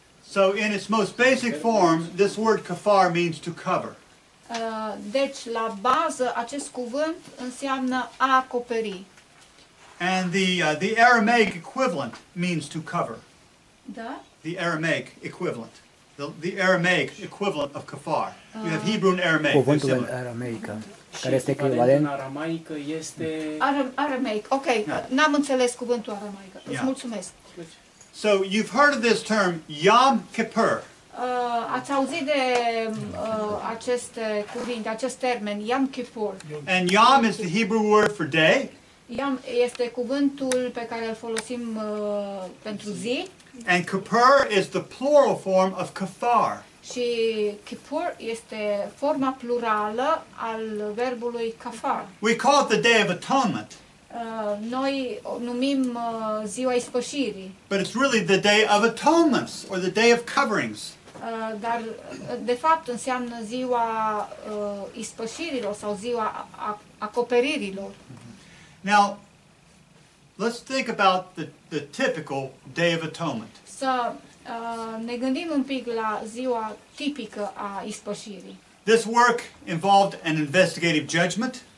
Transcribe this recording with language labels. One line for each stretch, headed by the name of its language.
English: So in its most basic form, this word kafar means to cover.
Romanian: Deci la bază acest cuvânt înseamnă a acoperi.
English: And the Aramaic equivalent means to cover.
Romanian: Da?
English: The Aramaic equivalent. The Aramaic equivalent of kafar. You have Hebrew and Aramaic.
Romanian: Cuvântul în arameică care este echivalent. Aramaică este
English: Aramaic. Okay, yeah.
Romanian: N-am înțeles cuvântul arameică. Îți mulțumesc.
English: So you've heard of this term Yom Kippur.
Romanian: Ați auzit de acest cuvânt, acest termen Yom Kippur.
English: And Yom is the Hebrew word for day.
Romanian: Yom este cuvântul pe care îl folosim pentru zi.
English: And Kippur is the plural form of kafar.
Romanian: Și Kippur este forma plurală al verbului kafar.
English: We call it the Day of Atonement.
Romanian: Noi o numim ziua ispășirii.
English: But it's really the Day of Atonements or the Day of Coverings.
Romanian: Dar de fapt înseamnă ziua ispășirilor sau ziua acoperirilor. Mm-hmm.
English: Now, let's think about the typical Day of Atonement.
Romanian: Să ne gândim un pic la ziua tipică a ispășirii.
English: This work involved an investigative judgment.